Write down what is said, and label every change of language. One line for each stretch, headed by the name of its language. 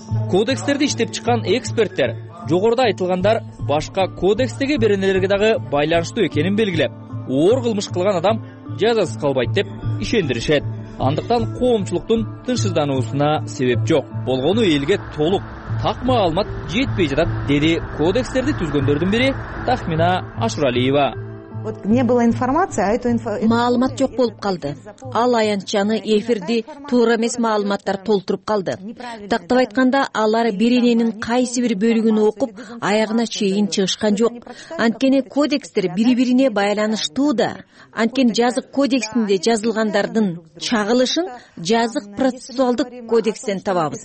Kyrgyz: Кодекстерди иштеп чыккан эксперттер жогоруда айтылгандар башка кодекстеги беренелерге дагы байланыштуу экенин белгилеп, оор кылмыш кылган адам жазасыз калбайт деп ишендиришет. Андыктан коомчулуктун тынчсыздануусуна себеп жок. Болгону элге толук так маалымат жетпей жатат, деди кодекстерди түзгөндөрдүн бири Тахмина Ашуралиева.
Russian: Вот не было информации, а эту информацию
Kyrgyz: маалымат жок болуп калды. Ал аянтчаны эфирди туура эмес маалыматтар толтуруп калды. Тактап айтканда, алар биренинин кайсы бир бөлүгүн окуп, аягына чейин чыгышкан жок. Анткени кодекстер бири-бирине байланыштуу да. Анткени жазык кодексинде жазылгандардын чагылышын жазык процессуалдык кодекстен табабыз.